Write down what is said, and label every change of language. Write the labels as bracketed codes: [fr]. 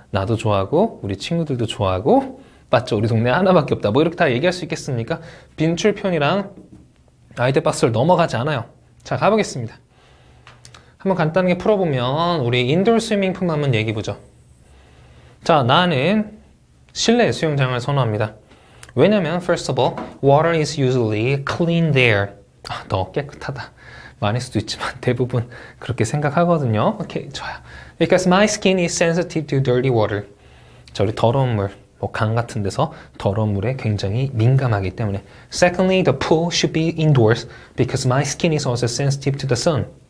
[ko] 나도 좋아하고, 우리 친구들도 좋아하고, 맞죠? 우리 동네 하나밖에 없다. 뭐 이렇게 다 얘기할 수 있겠습니까? 빈출편이랑 아이들박스를 넘어가지 않아요. 자, 가보겠습니다. 한번 간단하게 풀어보면, 우리 인도어 스위밍풀 한번 얘기해 보죠. 자, 나는 실내 수영장을 선호합니다. 왜냐면, [en] first of all, water is usually clean there. [ko] 아, 더 깨끗하다. 많을 수도 있지만, 대부분 그렇게 생각하거든요. 오케이, 좋아요. [en] Because my skin is sensitive to dirty water. [ko] 저리 더러운 물, 뭐강 같은 데서 더러운 물에 굉장히 민감하기 때문에. [en] Secondly, the pool should be indoors because my skin is also sensitive to the sun.